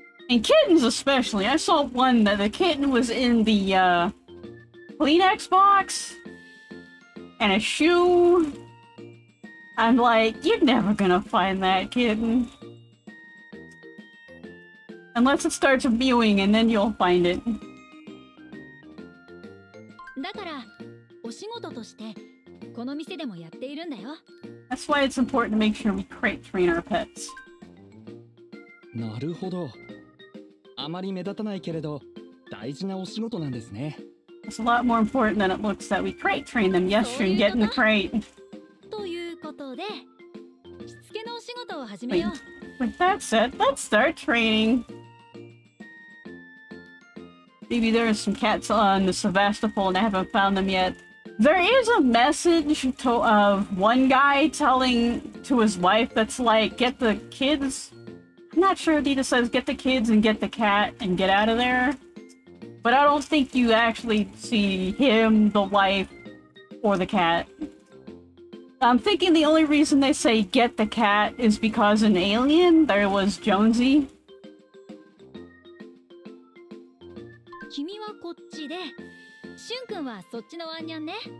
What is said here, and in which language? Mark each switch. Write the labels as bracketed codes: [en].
[en] And kittens especially. I saw one that the kitten was in the Kleenex box and a shoe. I'm like, you're never gonna find that kitten. Unless it starts mewing and then you'll find it. [ja] だからお仕事としてこの店でもやっているんだよ。 [en] That's why it's important to make sure we crate train our pets. [ja] なるほど。あまり目立たないけれど、大事なお仕事なんですね。 [en] It's a lot more important than it looks that we crate train them. Yes, you're getting the crate. [ja] ということで、しつけのお仕事を始めよう。 [en] With that said, let's start training. Maybe there are some cats on the Sevastopol and I haven't found them yet. There is a message of one guy telling to his wife that's like, get the kids. I'm not sure Adita says, get the kids and get the cat and get out of there. But I don't think you actually see him, the wife, or the cat. I'm thinking the only reason they say get the cat is because an alien, there was Jonesy. [ja] Kimi wa kochi de. シュン君はそっちのワンニャンね。